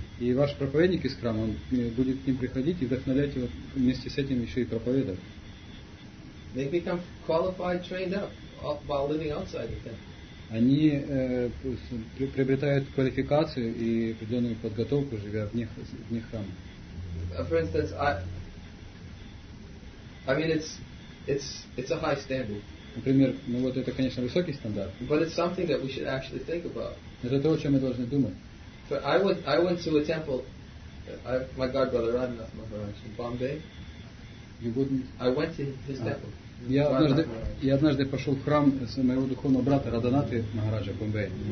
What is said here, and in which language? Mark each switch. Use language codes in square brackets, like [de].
[ru] И ваш проповедник из храма, он будет к ним приходить и вдохновлять его вместе с этим еще и проповедовать. [en] They become qualified, trained up while living outside of them. [ru] Они приобретают квалификацию и определенную подготовку, живя вне храма. [en] For instance, I mean it's a high standard. [ru] Например, ну вот это, конечно, высокий стандарт. [en] But it's something that we should actually think about. [ru] Это то, о чем мы должны думать. [en] For I went to a temple, my god brother Radhanath Maharaj in Bombay. You wouldn't. I went to his temple. [ru] Я однажды пошел в храм моего духовного брата Радханаты Махараджа в Бомбее.